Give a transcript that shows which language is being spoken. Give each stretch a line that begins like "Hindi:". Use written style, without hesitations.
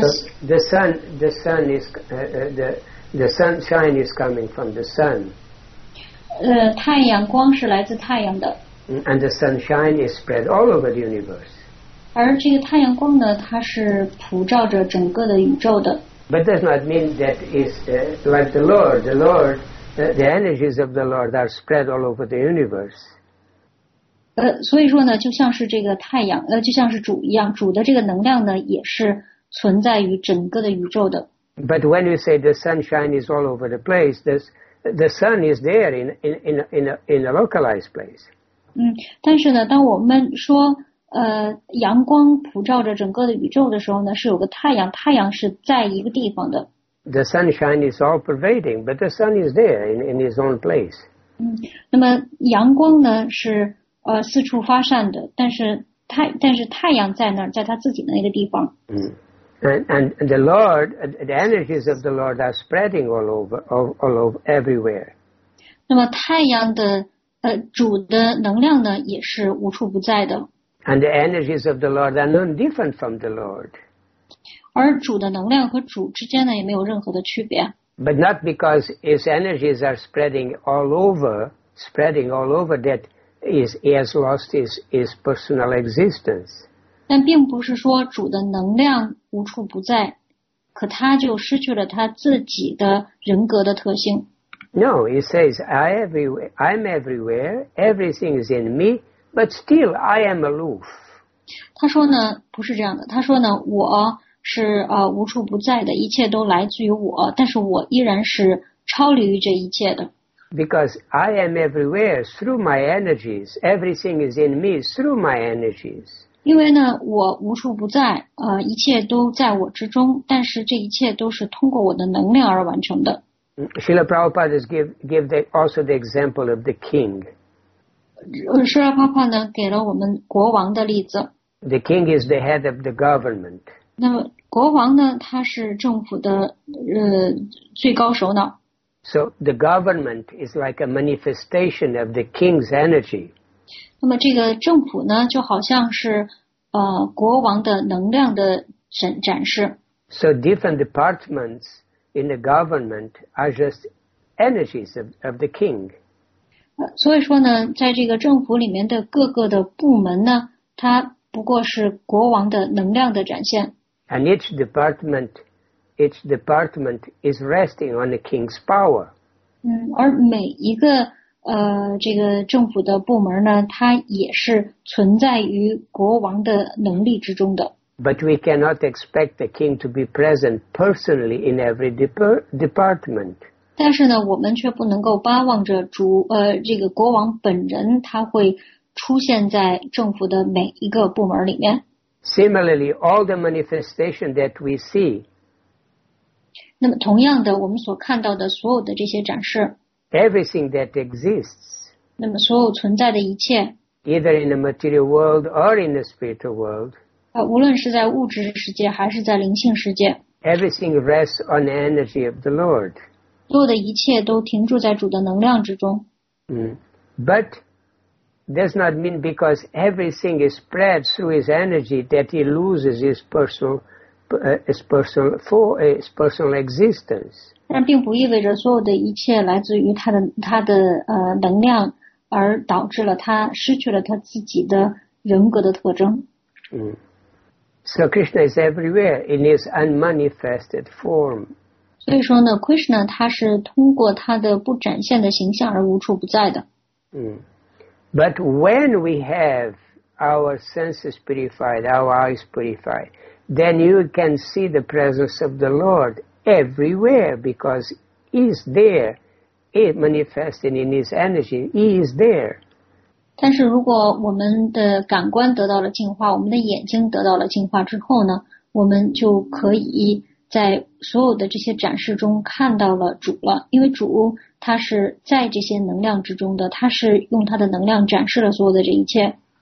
English: So the sun is, the sunshine is coming from the sun.
Chinese: 太阳光是来自太阳的。
English: And the sunshine is spread all over the universe.
Chinese: 而这个太阳光呢，它是普照着整个的宇宙的。
English: But does not mean that is like the Lord. The Lord, the energies of the Lord are spread all over the universe.
Chinese: 所以说呢，就像是这个太阳，就像是主一样，主的这个能量呢，也是存在于整个的宇宙的。
English: But when you say the sunshine is all over the place, the sun is there in a localized place.
Chinese: 但是呢，当我们说阳光普照着整个的宇宙的时候呢，是有个太阳，太阳是在一个地方的。
English: The sunshine is all pervading, but the sun is there in its own place.
Chinese: 那么阳光呢是四处发散的，但是太阳在那儿，在他自己的那个地方。
English: And the Lord, the energies of the Lord are spreading all over everywhere.
Chinese: 那么太阳的主的能量呢也是无处不在的。
English: And the energies of the Lord are none different from the Lord.
Chinese: 而主的能量和主之间呢也没有任何的区别。
English: But not because his energies are spreading all over that he has lost his personal existence.
Chinese: 但并不是说主的能量无处不在，可他就失去了他自己的人格的特性。
English: No, he says, I'm everywhere, everything is in me, but still I am aloof.
Chinese: 他说呢，不是这样的。他说呢，我是无处不在的，一切都来自于我，但是我依然是超离于这一切的。
English: Because I am everywhere through my energies, everything is in me through my energies.
Chinese: 因为呢，我无处不在，一切都在我之中，但是这一切都是通过我的能量而完成的。
English: Srila Prabhupada gave also the example of the king.
Chinese: Srila Prabhupada 呢给了我们国王的例子。
English: The king is the head of the government.
Chinese: 那么国王呢他是政府的最高首脑。
English: So the government is like a manifestation of the king's energy.
Chinese: 那么这个政府呢就好像是国王的能量的展示。
English: So different departments in the government are just energies of the king.
Chinese: 所以说呢，在这个政府里面的各个的部门呢，它不过是国王的能量的展现。
English: And each department is resting on the king's power.
Chinese: 而每一个这个政府的部门呢，它也是存在于国王的能力之中的。
English: But we cannot expect the king to be present personally in every department.
Chinese: 但是呢，我们却不能够巴望着主这个国王本人他会出现在政府的每一个部门里面。
English: Similarly, all the manifestation that we see.
Chinese: 那么同样的，我们所看到的所有的这些展示。
English: Everything that exists.
Chinese: 那么所有存在的一切。
English: Either in the material world or in the spiritual world.
Chinese: 无论是在物质世界还是在灵性世界，
English: Everything rests on the energy of the Lord.
Chinese: 所有的一切都停住在主的能量之中。
English: But does not mean because everything is spread through his energy that he loses his personal existence.
Chinese: 但并不意味着所有的一切来自于他的能量，而导致了他失去了他自己的人格的特征。
English: So Krishna is everywhere in his unmanifested form.
Chinese: 所以说呢 ，Krishna 他是通过他的不展现的形象而无处不在的。
English: But when we have our senses purified, our eyes purified, then you can see the presence of the Lord everywhere because he is there, he manifesting in his energy, he is there.
Chinese: 但是如果我们的感官得到了净化，我们的眼睛得到了净化之后呢，我们就可以在所有的这些展示中看到了主了，因为主他是在这些能量之中的，他是用他的能量展示了所有的这一切。